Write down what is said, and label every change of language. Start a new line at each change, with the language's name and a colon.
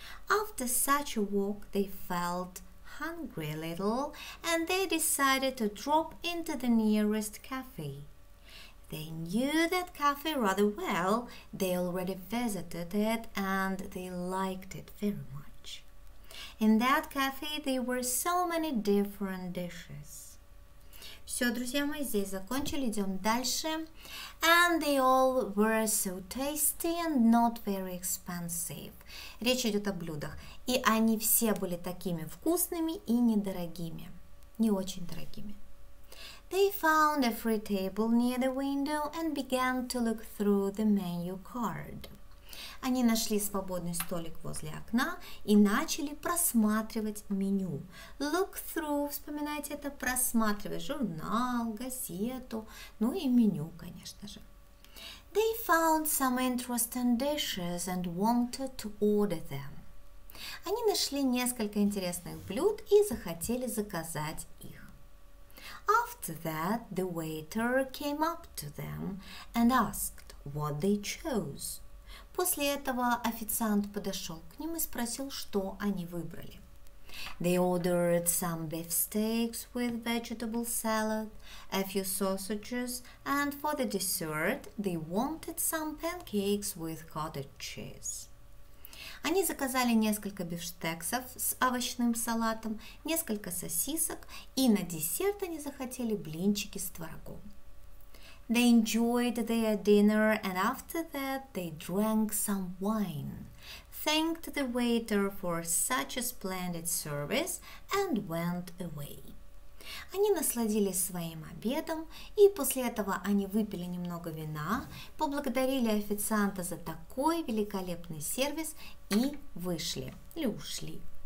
English: After such a walk, they felt hungry a little, and they decided to drop into the nearest cafe. They knew that cafe rather well. They already visited it and they liked it very much. In that cafe there were so many different dishes.
Russian: Все, друзья мои, здесь закончили, идем дальше.
English: And they all were so tasty and not very expensive.
Russian: Речь идет о блюдах. И они все были такими вкусными и недорогими. Не очень дорогими.
English: They found a free table near the window and began to look through the menu card.
Russian: Они нашли свободный столик возле окна и начали просматривать меню. Look through, вспоминайте это, просматривать журнал, газету, ну и меню, конечно же.
English: They found some interesting dishes and wanted to order them.
Russian: Они нашли несколько интересных блюд и захотели заказать их.
English: After that, the waiter came up to them and asked what they chose.
Russian: После этого официант подошел к ним и спросил, что они выбрали.
English: They ordered some beefsteaks with vegetable salad, a few sausages, and for the dessert, they wanted some pancakes with cottage cheese.
Russian: Они заказали несколько бифштексов с овощным салатом, несколько сосисок, и на десерт они захотели блинчики с творогом.
English: They enjoyed their dinner and after that they drank some wine, thanked the waiter for such a splendid service and went away.
Russian: Они насладились своим обедом, и после этого они выпили немного вина, поблагодарили официанта за такой великолепный сервис и вышли, или ушли.